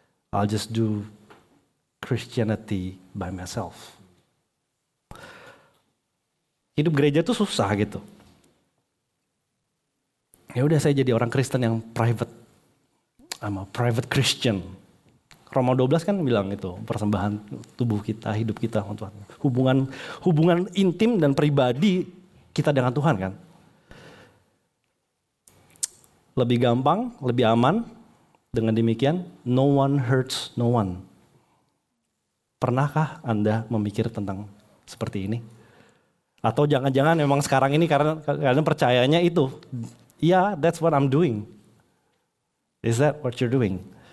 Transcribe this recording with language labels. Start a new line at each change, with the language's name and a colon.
English: I'll just do Christianity by myself.
Indonesian: Hidup gereja tuh susah gitu. Ya udah saya jadi orang Kristen yang private.
English: I'm a private Christian.
Indonesian: Roma 12 kan bilang itu, persembahan tubuh kita, hidup kita untuk Tuhan. Hubungan intim dan pribadi kita dengan Tuhan kan. Lebih gampang, lebih aman dengan demikian
English: no one hurts no one.
Indonesian: Pernahkah Anda memikir tentang seperti ini? Atau jangan-jangan memang sekarang ini karena percayanya itu.
English: Ya, yeah, that's what I'm doing. Is that what you're doing?